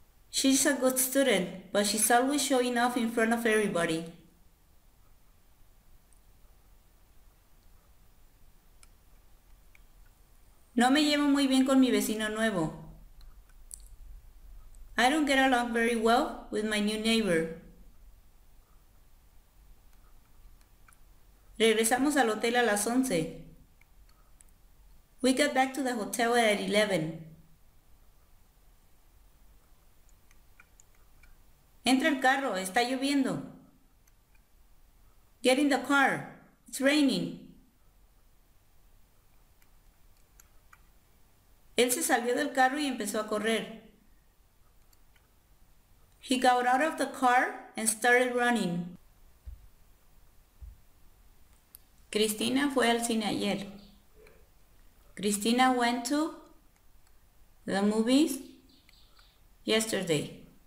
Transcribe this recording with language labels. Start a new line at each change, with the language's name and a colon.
English: She's a good student, but she's always showing off in front of everybody.
Spanish: No me llevo muy bien con mi vecino nuevo.
English: I don't get along very well with my new neighbor.
Spanish: Regresamos al hotel a las 11.
English: We got back to the hotel at 11.
Spanish: Entra el carro, está lloviendo.
English: Get in the car, it's raining.
Spanish: Él se salió del carro y empezó a correr.
English: He got out of the car and started running.
Spanish: Cristina fue al cine ayer.
English: Cristina went to the movies yesterday.